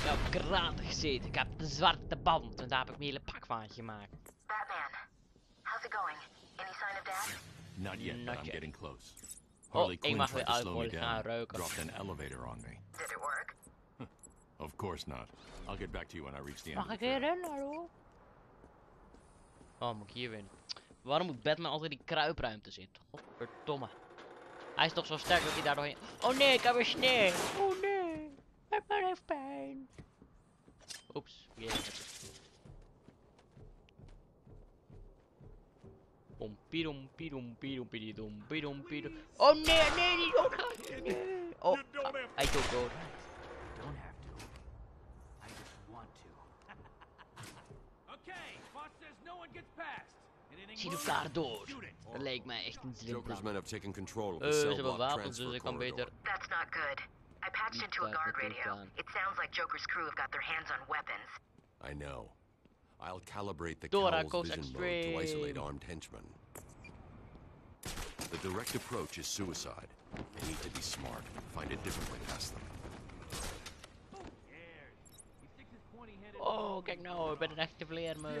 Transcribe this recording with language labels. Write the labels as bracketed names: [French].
[Dutch] Gratis gezeten. Ik heb de zwarte band en daar heb ik mijn hele pak van gemaakt. [English] Batman, how's it going? Any sign of Dad? Not yet, but I'm getting close. Harley Quinn tried to slow me down, dropped an elevator on me. Did it work? Of course not. I'll get back to you when I reach the end. [Dutch] Mag ik erin, hallo? Oh, moet ik hier in? Waarom moet Batman altijd die kruipruimte zitten? Godverdomme. Hij is toch zo sterk dat hij daar doorheen. Oh nee, ik heb een snee. Oh nee, Batman heeft pijn. Oeps, pom pirom pirom pirom pirom pirom pirom. Oh nee, nee, nee, oh god, nee. Oh, [English] I don't go. Don't have to. I just want to. Okay, boss says no one gets past. [Dutch] Zie elkaar door. Dat lijkt mij echt een slim plan. [English] Men have taken control of the cell block transfer corridor. [Dutch] Ze hebben wapens, dus ik kan beter. [English] That's not good. I patched into a guard radio. It sounds like Joker's crew have got their hands on weapons. I know. I'll calibrate the cowl's vision mode to isolate armed henchmen. The direct approach is suicide. They need to be smart. Find a different way past them. [Dutch] Oh, kijk nou, we zijn echt de vleermuis.